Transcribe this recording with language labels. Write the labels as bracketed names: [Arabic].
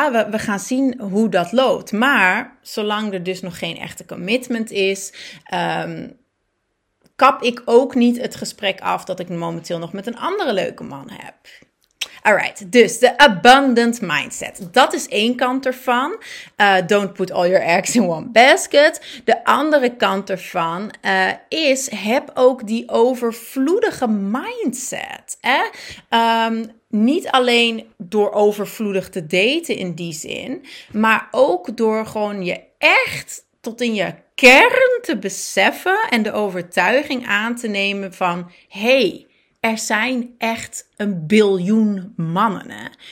[Dutch] We gaan zien hoe dat loopt. Maar zolang er dus nog geen echte commitment is, kap ik ook niet het gesprek af dat ik momenteel nog met een andere leuke man heb. Alright, dus de abundant mindset. Dat is één kant ervan. [English] Don't put all your eggs in one basket. [Dutch] De andere kant ervan is, heb ook die overvloedige mindset. Hè? Niet alleen door overvloedig te daten in die zin, maar ook door gewoon je echt tot in je kern te beseffen en de overtuiging aan te nemen van, hey, er zijn echt een biljoen mannen. Hè?